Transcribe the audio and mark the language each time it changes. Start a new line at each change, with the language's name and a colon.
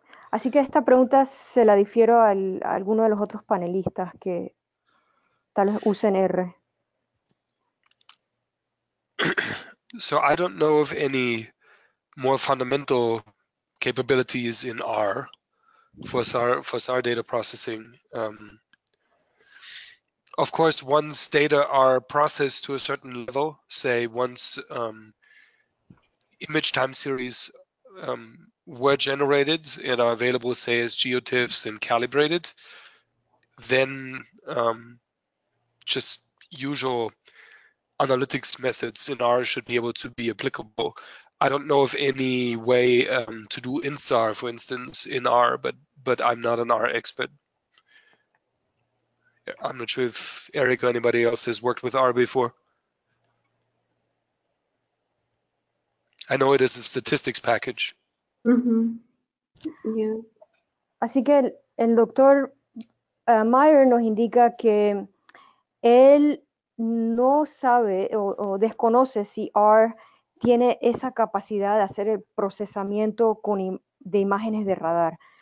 Spanish: Así que esta pregunta se la difiero a alguno de los otros panelistas que tal vez usen R.
English: So I don't know of any more fundamental capabilities in R for SAR data processing. Of course, once data are processed to a certain level, say once image time series were generated and are available, say as geotiffs and calibrated, then just usual analytics methods in R should be able to be applicable. I don't know of any way to do INSAR, for instance, in R, but I'm not an R expert. I'm not sure if Eric or anybody else has worked with R before. I know it is a statistics package. Mm-hmm. Yeah.
Spanish: Así que el doctor Meyer nos indica que él no sabe o desconoce si R tiene esa capacidad de hacer el procesamiento de imágenes de radar.